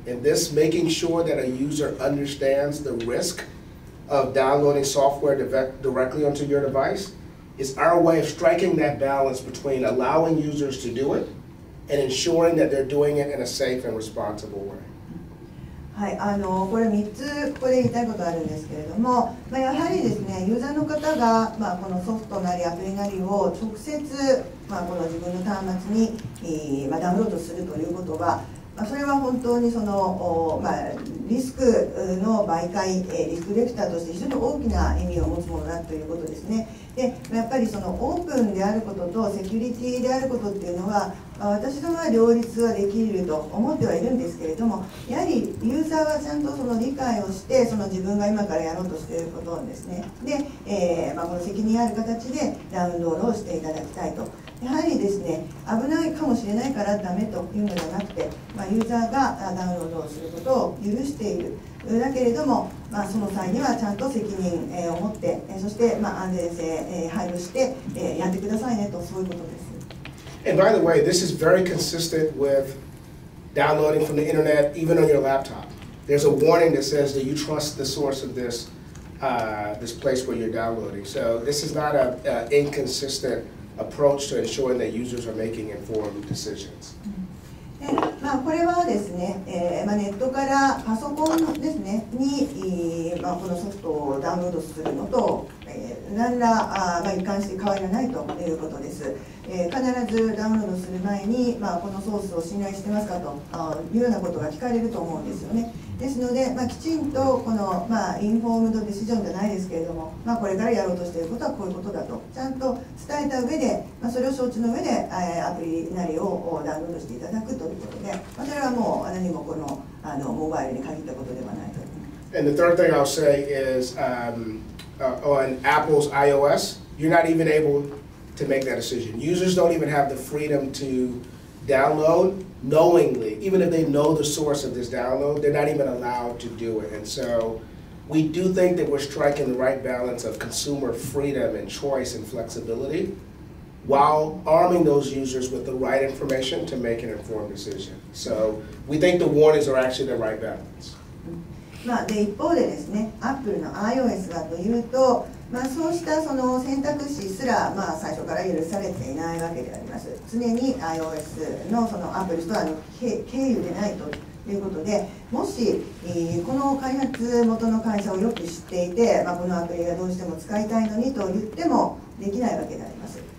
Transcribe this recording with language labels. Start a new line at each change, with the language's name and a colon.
English: And this making sure that a user understands the risk of downloading software directly onto your device is our way of striking that balance between allowing users to do it and ensuring that they're doing it in a safe and responsible way.
Japanese: はい、これ3つここで言いたいことがあるんですけれども、まあ、やはりですね、ユーザーの方が、まあ、このソフトなりアプリなりを直接、まあ、この自分の端末に、まあ、ダウンロードするということは、まあ、それは本当にその、まあ、リスクの媒介、リスクレクターとして非常に大きな意味を持つものだということですね。でやっぱりそのオープンであることとセキュリティであることっていうのは私どもは両立はできると思ってはいるんですけれどもやはりユーザーはちゃんとその理解をしてその自分が今からやろうとしていることをですねで、まあ、この責任ある形でダウンロードをしていただきたいとやはりですね危ないかもしれないからダメというのではなくて、まあ、ユーザーがダウンロードをすることを許しているだけれども、まあ、その際にはちゃんと責任を持ってそしてまあ安全性配慮してやってくださいねとそういうことです
English: And by the way, this is very consistent with downloading from the internet, even on your laptop. There's a warning that says that you trust the source of this, this place where you're downloading. So this is not an inconsistent approach to ensuring that users are making informed decisions.
Japanese: まあ、これはですね、まあ、ネットからパソコンですね、に、まあ、このソフトをダウンロードするのと、何ら、まあ、一貫して変わりはないということです。必ずダウンロードする前に、まあ、このソースを信頼してますかというようなことが聞かれると思うんですよね。ですので、まあ、きちんとこの、まあ、インフォームドディシジョンじゃないですけれども、まあ、これからやろうとしていることはこういうことだと、ちゃんと伝えた上で、まあ、それを承知の上で、アプリなりをダウンロードしていただくということで、まあ、それはもう何もこの、モバイルに限ったことではないと思います。
English: And the third thing I'll say is, on Apple's iOS, you're not even able to make that decision. Users don't even have the freedom to download. Knowingly, even if they know the source of this download, they're not even allowed to do it. And so we do think that we're striking the right balance of consumer freedom and choice and flexibility while arming those users with the right information to make an informed decision. So we think the warnings are actually the right balance.
Japanese: まあ、で、一方でですね、 Apple の iOS がというと、まあ、そうしたその選択肢すら、まあ、最初から許されていないわけであります。常に iOS の そのアプリストアの経由でないということで、もし、この開発元の会社をよく知っていて、まあ、このアプリがどうしても使いたいのにと言ってもできないわけであります。